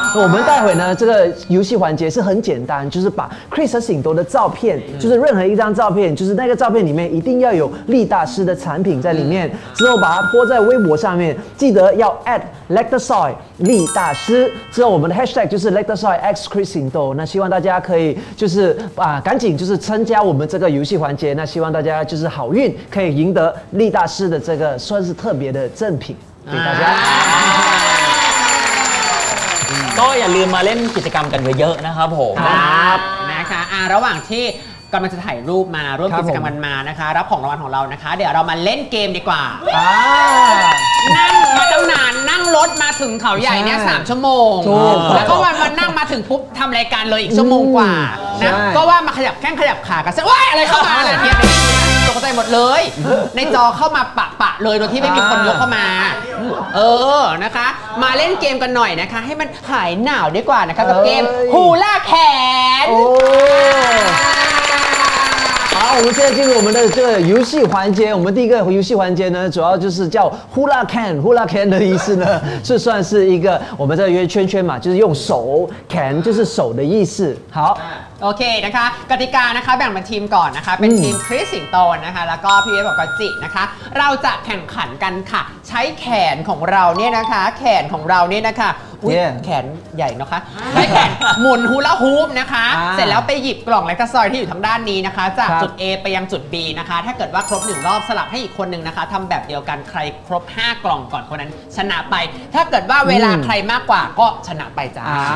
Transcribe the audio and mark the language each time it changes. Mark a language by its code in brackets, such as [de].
[zh] 我们待会呢这个游戏环节是很简单就是把Chris 和醒多的照片就是任何一张照片就是那个照片里面一定要有力大师的产品在里面之后把它泼在微博上面记得要 add LectorSoy 力大师之后我们的 hashtag 就是 LectorSoy X Chris 醒多那希望大家可以就是啊赶紧就是参加我们这个游戏环节那希望大家就是好运可以赢得力大师的这个算是特别的赠品给大家 [th] ก็อย่าลืมมาเล่นกิจกรรมกันเยอะๆนะครับผม ครับนะคะระหว่างที่กำลังจะถ่ายรูปมาร่วมกิจกรรมกันมานะคะรับของรางวัลของเรานะคะเดี๋ยวเรามาเล่นเกมดีกว่า นั่งมาตั้งนานนั่งรถมาถึงเขาใหญ่เนี่ย3ชั่วโมงแล้วก็วันนั่งมาถึงปุ๊บทำรายการเลยอีกชั่วโมงกว่านะก็ว่ามาขยับแข้งขยับขากันซะว้ายอะไรเข้ามาอะไรเงี้ยตกใจหมดเลยในจอเข้ามาปะปะเลยโดยที่ไม่มีคนยกเข้ามาเออนะคะมาเล่นเกมกันหน่อยนะคะให้มันหายหนาวดีกว่านะคะกับเกมฮูล่าแขน [zh] 好，我们现在进入我们的这个游戏环节。我们第一个游戏环节呢，主要就是叫 hula can， hula can 的意思呢，是算是一个我们在约圈圈嘛，就是用手 can 就是手的意思。好 [th] ，OK นะคะ กติกานะคะแบ่งเป็นทีมก่อนนะคะเป็นทีมคริสสิงโตนะคะแล้วก็พี่เวฟกับจินะคะเราจะแข่งขันกันค่ะใช้แขนของเราเนี่ยนะคะแขนของเราเนี่ยนะคะแขนใหญ่นะคะใช้แขนหมุนฮูลาฮูปนะคะเสร็จแล้วไปหยิบกล่องไรซ์ซอยที่อยู่ทางด้านนี้นะคะจากจุด A ไปยังจุด B นะคะถ้าเกิดว่าครบ1รอบสลับให้อีกคนนึงนะคะทำแบบเดียวกันใครครบ5กล่องก่อนคนนั้นชนะไปถ้าเกิดว่าเวลาใครมากกว่าก็ชนะไปจ้า